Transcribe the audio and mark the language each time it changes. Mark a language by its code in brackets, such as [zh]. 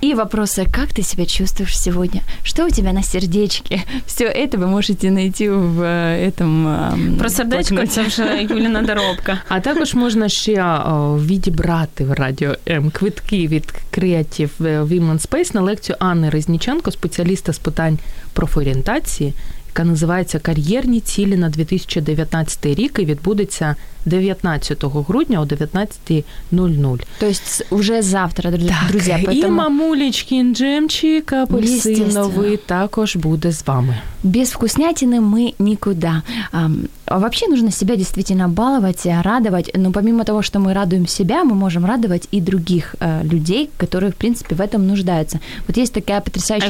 [ru] И вопросы, как ты себя чувствуешь сегодня? Что у тебя на сердечке? Все это вы можете найти в этом блокноте. [uk] Про сердечко, это уже Юлина доробка. А також можна ще відібрати в радіо М квитки від Creative Women Space на лекцію Анни Резніченко, спеціаліста з питань профорієнтації, яка називається «Кар'єрні цілі на 2019 рік» і відбудеться 19 грудня о 19.00. [ru] То есть уже завтра, [uk] друзі. [ru] Так, поэтому... [uk] і [ru] мамулечкин джемчик апельсиновый [uk] також буде з вами. [ru] Без вкуснятины мы никуда. Вообще нужно себя действительно баловать, радовать. Но помимо того, что мы радуем себя, мы можем радовать и других людей, которые, в принципе, в этом нуждаются. Вот есть такая потрясающая...